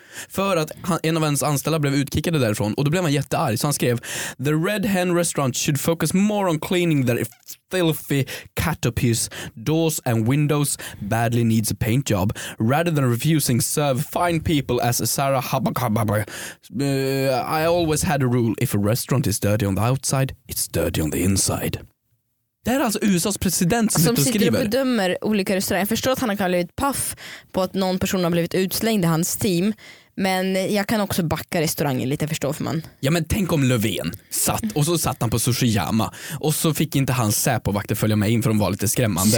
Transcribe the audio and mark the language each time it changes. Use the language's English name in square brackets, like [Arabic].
[Swedish] För att en av hans anställda blev utkickade därifrån, och då blev han jättearg, så han skrev: [English] The Red Hen restaurant should focus more on cleaning their filthy catapies, doors and windows badly needs a paint job, rather than refusing serve fine people as Sarah Hubba Hubba. I always had a rule, if a restaurant is dirty on the outside, it's dirty on the inside. [Swedish] Det är alltså USAs president som sitter och skriver. Och bedömer olika restauranger. Jag förstår att han har blivit paff på att någon person har blivit utslängd i hans team. Men jag kan också backa restaurangen lite, förstår för man. Ja, men tänk om Löfven satt, och så satt han på Sushiyama, och så fick inte hans säpovakter följa med in, för de var lite skrämmande.